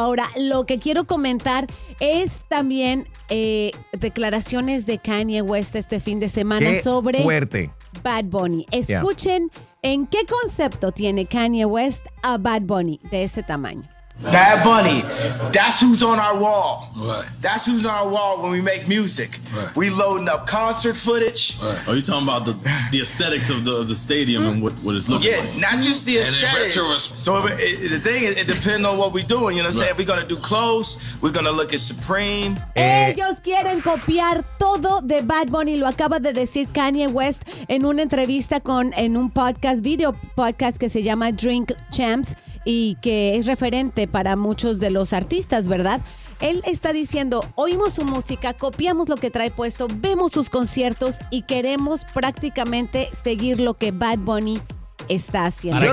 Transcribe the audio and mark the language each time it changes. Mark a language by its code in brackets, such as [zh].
[es] Ahora, lo que quiero comentar es también declaraciones de Kanye West este fin de semana. Qué sobre fuerte. Bad Bunny. Escuchen en qué concepto tiene Kanye West a Bad Bunny de ese tamaño. [en] Bad Bunny, that's who's on our wall. Right. That's who's on our wall when we make music. Right. We loading up concert footage. Right. Are you talking about the aesthetics of the stadium and what it's looking like? Yeah, not just the aesthetics. The thing is, it depends on what we're doing. You know what I'm saying? We're going to do clothes. We're going to look at Supreme. [es] Ellos quieren copiar todo de Bad Bunny. Lo acaba de decir Kanye West en una entrevista en un podcast, video podcast que se llama Drink Champs. Y que es referente para muchos de los artistas, ¿verdad? Él está diciendo, oímos su música, copiamos lo que trae puesto, vemos sus conciertos y queremos prácticamente seguir lo que Bad Bunny está haciendo.